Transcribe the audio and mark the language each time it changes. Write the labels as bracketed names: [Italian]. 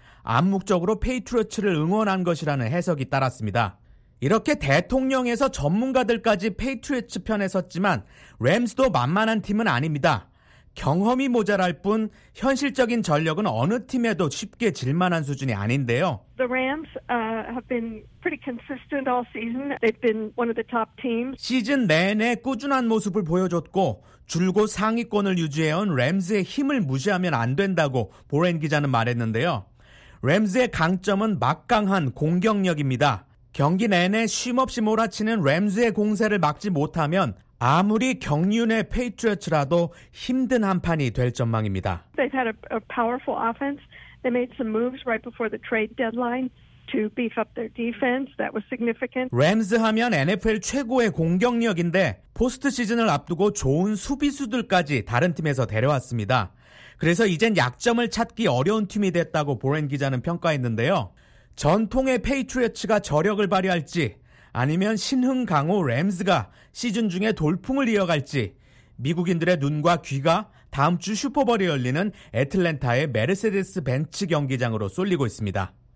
[Korean] 암묵적으로 페이트리어츠를 응원한 것이라는 해석이 따랐습니다. 이렇게 대통령에서 전문가들까지 페이트리어츠 편에 섰지만 램스도 만만한 팀은 아닙니다. 경험이 모자랄 뿐 현실적인 전력은 어느 팀에도 쉽게 질만한 수준이 아닌데요. [English] The Rams have been pretty consistent all season. They've been one of the top teams. [Korean] 시즌 내내 꾸준한 모습을 보여줬고 줄곧 상위권을 유지해온 램스의 힘을 무시하면 안 된다고 보렌 기자는 말했는데요. 램스의 강점은 막강한 공격력입니다. 경기 내내 쉼 없이 몰아치는 램즈의 공세를 막지 못하면 아무리 경륜의 페이트리어츠라도 힘든 한판이 될 전망입니다. [English] They've had a powerful offense. They made some moves right before the trade deadline to beef up their defense. That was significant. [Korean] 램즈 하면 NFL 최고의 공격력인데 포스트 시즌을 앞두고 좋은 수비수들까지 다른 팀에서 데려왔습니다. 그래서 이젠 약점을 찾기 어려운 팀이 됐다고 보렌 기자는 평가했는데요. 전통의 페이트리어츠가 저력을 발휘할지 아니면 신흥 강호 램즈가 시즌 중에 돌풍을 이어갈지 미국인들의 눈과 귀가 다음 주 슈퍼볼이 열리는 애틀랜타의 메르세데스 벤츠 경기장으로 쏠리고 있습니다.